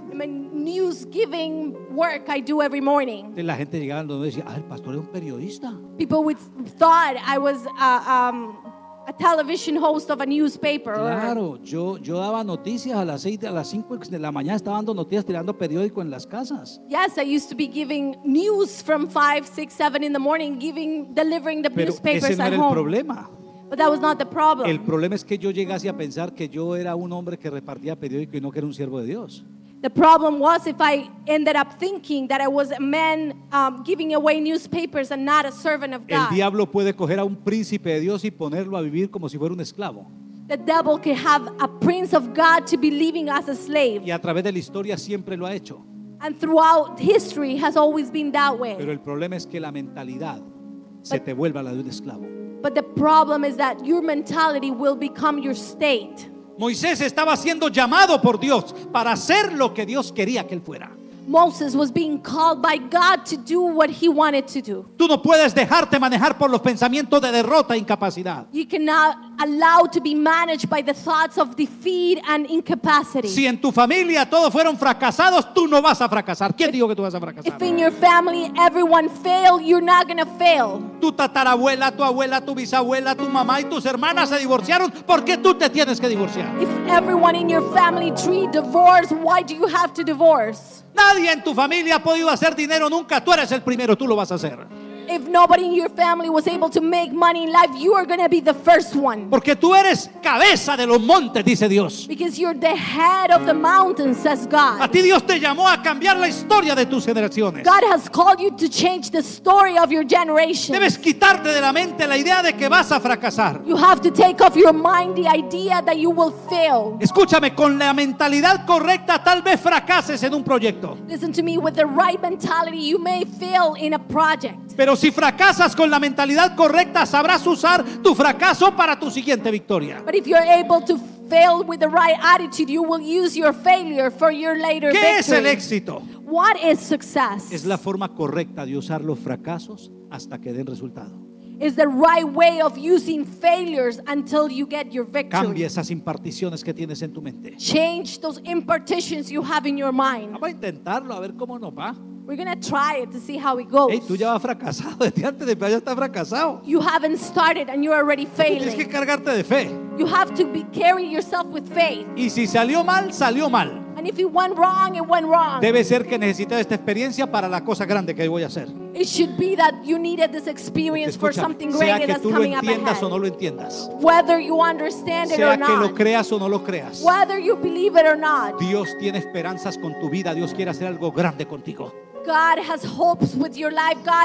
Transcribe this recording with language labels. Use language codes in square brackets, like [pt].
[en] I mean, news giving work I do every morning. [es] Y la gente llegaba donde decía, ah, el pastor es un periodista. [en] People would thought I was a television host of a newspaper. [es] Claro, yo daba noticias a las 6 a las 5 de la mañana, estaba dando noticias tirando periódico en las casas. [en] Yes, I used to be giving news from 5, 6, 7 in the morning, delivering the [es] Pero [en] newspapers [es] ese no [en] at [es] era [en] home. [es] El problema. [en] But that was not the problem. [es] El problema es que yo llegase a pensar que yo era un hombre que repartía periódico y no que era un siervo de Dios. [en] The problem was if I ended up thinking that I was a man giving away newspapers and not a servant of God. [es] El diablo puede coger a un príncipe de Dios y ponerlo a vivir como si fuera un esclavo. [en] The devil can have a prince of God to be living as a slave. [es] Y a través de la historia siempre lo ha hecho. [en] And throughout history has always been that way. [es] Pero el problema es que la mentalidad se te vuelva la de un esclavo. [en] But the problem is that your mentality will become your state. [es] Moisés estaba siendo llamado por Dios para hacer lo que Dios quería que él fuera. [en] Moses was being called by God to do what he wanted to do. [es] Tú no puedes dejarte manejar por los pensamientos de derrota e incapacidad. [en] You cannot allow to be managed by the thoughts of defeat and incapacity. [es] Si en tu familia todos fueron fracasados, tú no vas a fracasar. ¿Quién dijo que tú vas a fracasar? [en] If in your family everyone failed, you're not going to fail. [es] Tu tatarabuela, tu abuela, tu bisabuela, tu mamá y tus hermanas se divorciaron, ¿por qué tú te tienes que divorciar? [en] If everyone in your family tree divorced, why do you have to divorce? [es] Nadie en tu familia ha podido hacer dinero nunca. Tú eres el primero, tú lo vas a hacer. [en] If nobody in your family was able to make money in life, you are going to be the first one. [es] Porque tú eres cabeza de los montes, dice Dios. [en] Because you're the head of the mountains, says God. [es] A ti Dios te llamó a cambiar la historia de tus generaciones. [en] God has called you to change the story of your generation. [es] Debes quitarte de la mente la idea de que vas a fracasar. [en] You have to take off your mind the idea that you will fail. [es] Escúchame, con la mentalidad correcta tal vez fracases en un proyecto. [en] Listen to me, with the right mentality you may fail in a project. [es] Pero si fracasas con la mentalidad correcta, sabrás usar tu fracaso para tu siguiente victoria. [en] But if you're able to fail with the right attitude, you will use your failure for your later [es] ¿Qué [en] victory. [es] ¿Qué es el éxito? [en] What is success? [es] Es la forma correcta de usar los fracasos hasta que den resultado. [en] Is the right way of using failures until you get your victory. [es] Cambia esas imparticiones que tienes en tu mente. [en] Change those impartitions you have in your mind. [es] Vamos a intentarlo a ver cómo nos va. [en] We're going to try it to see how it goes. [es] Hey, tú ya vas fracasado. Desde antes de empezar ya estás fracasado. [en] You haven't started and you're already failing. [es] Tú tienes que cargarte de fe. [en] You have to be carrying yourself with faith. [es] Y si salió mal, salió mal. [en] And if it went wrong, it went wrong. [es] Debe ser que necesité esta experiencia para la cosa grande que voy a hacer. [en] It should be that you needed this experience [es] escucha, [en] for something greater that's coming up ahead. [es] Sea que tú lo entiendas o no lo entiendas. [en] Whether you understand it [es] sea [en] or not. [es] Sea que lo creas o no lo creas. [en] Whether you believe it or not. [es] Dios tiene esperanzas con tu vida. Dios quiere hacer algo grande contigo. [en] God has hopes with your life.